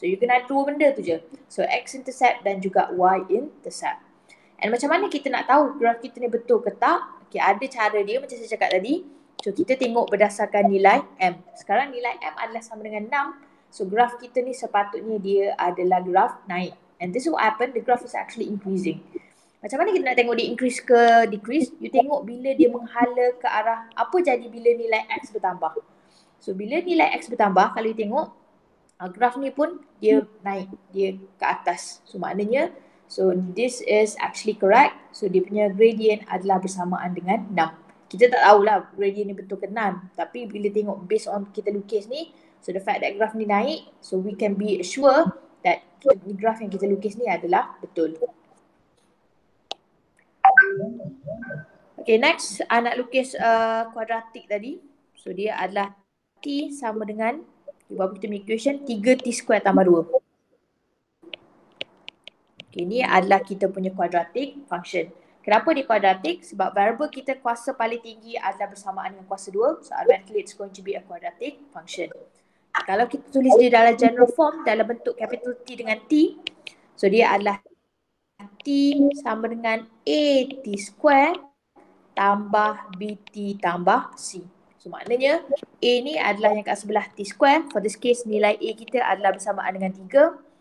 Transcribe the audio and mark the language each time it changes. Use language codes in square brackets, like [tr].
[ms] So you can add dua benda tu je. So x intercept dan juga y intercept. And macam mana kita nak tahu graf kita ni betul ke tak? Okay, ada cara dia macam saya cakap tadi. So kita tengok berdasarkan nilai M. Sekarang nilai M adalah sama dengan 6. So graf kita ni sepatutnya dia adalah graf naik. [en] And this is what happened, the graph is actually increasing. [ms] Macam mana kita nak tengok dia increase ke decrease? You tengok bila dia menghala ke arah, apa jadi bila nilai X bertambah. So bila nilai X bertambah, kalau you tengok graf ni pun dia naik, dia ke atas. So maknanya [en] So this is actually correct. [ms] So dia punya gradient adalah bersamaan dengan 6. Kita tak tahulah gradient ni betul ke 6. Tapi bila tengok based on kita lukis ni, so the fact that graph ni naik, [en] so we can be sure that [ms] graph yang kita lukis ni adalah betul. Okay, next I nak lukis kuadratik tadi. So dia adalah T sama dengan, kita buat equation 3T square tambah 2. Okay, ni adalah kita punya quadratic function. Kenapa dia quadratic? Sebab variable kita kuasa paling tinggi adalah bersamaan dengan kuasa 2. [en] So eventually it's going to be a quadratic function. [ms] Kalau kita tulis dia dalam general form, dalam bentuk capital T dengan T, so dia adalah T sama dengan AT square tambah BT tambah C. So maknanya A ni adalah yang kat sebelah T square. For this case, nilai A kita adalah bersamaan dengan 3.